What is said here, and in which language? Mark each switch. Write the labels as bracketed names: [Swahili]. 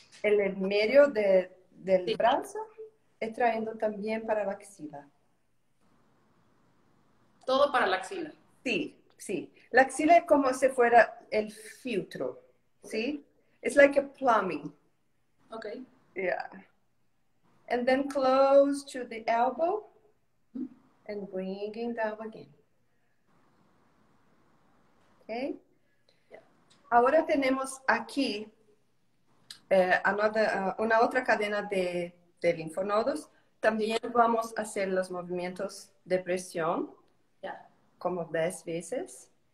[Spanish] en el medio del brazo y trayendo también para la axila. Todo para la axila. Sí. La axila es como si fuera el filtro, ¿sí? [English] It's like a plumbing. Okay. Yeah. And then close to the elbow and bringing down again. Okay. [Spanish] Ahora tenemos aquí una otra cadena de linfonodos. También vamos a hacer los movimientos de presión como 10 veces.